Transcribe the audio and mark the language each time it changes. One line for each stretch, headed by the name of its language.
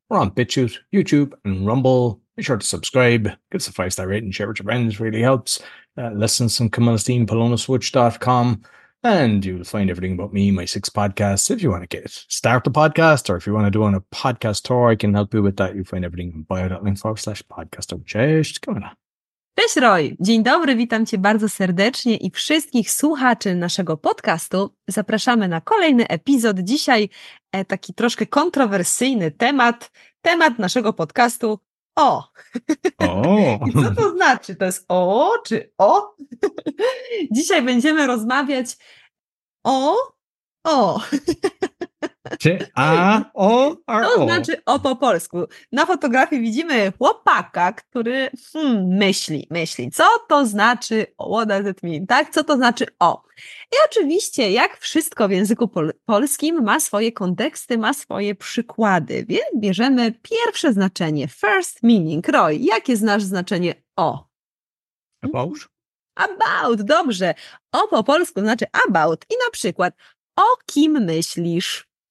English: We're on BitChute, YouTube, and Rumble. Be sure to subscribe, give us a 5-star rating, share with your friends, really helps. Listen to some Kamilstein, polonaswitch.com, and you'll find everything about me, my 6 podcasts. If you want to start the podcast, or if you want to do on a podcast tour, I can help you with that. You'll find everything in bio.link/podcast.
Polish: Cześć,
English: come on.
Polish: Cześć Roy, dzień dobry, witam Cię bardzo serdecznie i wszystkich słuchaczy naszego podcastu. Zapraszamy na kolejny epizod. Dzisiaj taki troszkę kontrowersyjny temat naszego podcastu. O! I co to znaczy? To jest o czy o? Dzisiaj będziemy rozmawiać o. Czy a, o, r, o? To znaczy o po polsku. Na fotografii widzimy chłopaka, który myśli. Co to znaczy
English: what does it mean?
Polish: Tak? Co to znaczy o? I oczywiście, jak wszystko w języku polskim, ma swoje konteksty, ma swoje przykłady. Więc bierzemy pierwsze znaczenie,
English: first meaning.
Polish: Roy, jakie znasz znaczenie o?
English: About.
Polish: About, dobrze. O po polsku znaczy about. I na przykład, o kim myślisz?